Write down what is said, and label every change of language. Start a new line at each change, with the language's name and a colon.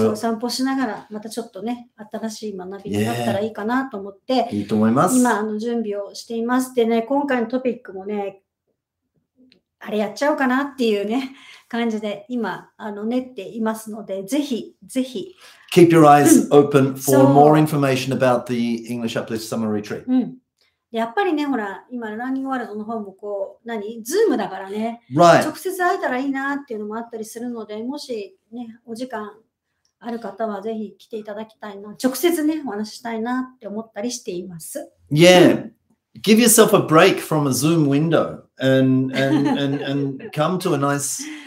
Japanese: そう、散歩しながら、またちょっとね、新しい学びになったらいいかなと思って、いいと思います。今、あの、準備をしています。でね、今回のトピックもね、あれやっちゃおうかなっていうね、感じで今、あの、練っていますので、ぜひ、ぜひ。
English: Keep your eyes open for more information about the English Uplift Summer Retreat. うん。
Japanese: やっぱりね、ほら、今、ランニングワールドの方もこう、何、ズームだからね、
English: right.
Japanese: 直接会えたらいいなっていうのもあったりするので、もしね、お時間ある方はぜひ来ていただきたいな、直接ね、お話したいなって思ったりしています。
English: Yeah, give yourself a break from a Zoom window and come to a nice,